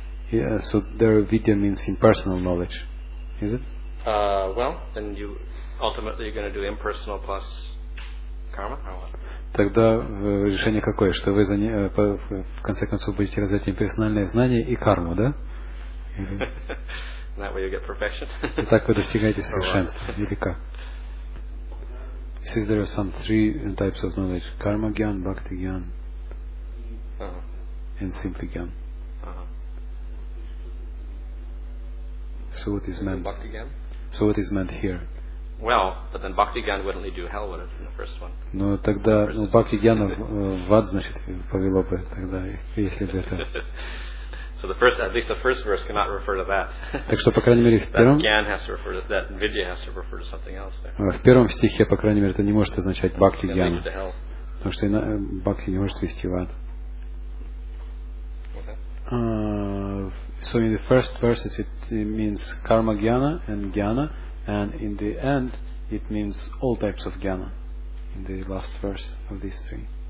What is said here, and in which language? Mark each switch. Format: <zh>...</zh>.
<en>Yeah, so there vidya means impersonal knowledge, is it? Well, then you ultimately you're going to do impersonal plus karma, or what?</en> <ru>Тогда решение какое, что вы в конце концов будете развивать имперсональные знания и карму, да?</ru> <en>That way you get perfection.</en> <ru>Так вы достигаете совершенства, или как?</ru> <en>Is there some three types of knowledge: karma gyan, bhakti gyan, and simply gyan? So what is meant? Bhakti gyan? So what is meant here? Well, but then bhakti gyan wouldn't lead you to hell, would it, in the first one?</en> <ru>Но тогда, ну бхакти гьяна в ад, значит, повело бы тогда, если бы это.</ru> <en>So the first, at least the first verse cannot refer to that.</en> <ru>Так что по крайней мере в первом.</ru> <en>That gyan has to refer to that. Vidya has to refer to something else.</en> <ru>В первом стихе по крайней мере это не может означать бхакти гьяна, потому что бхакти не может вести в ад.</ru> <en>So in the first verses it means karma jnana and jnana, and in the end it means all types of jnana in the last verse of these three.</en>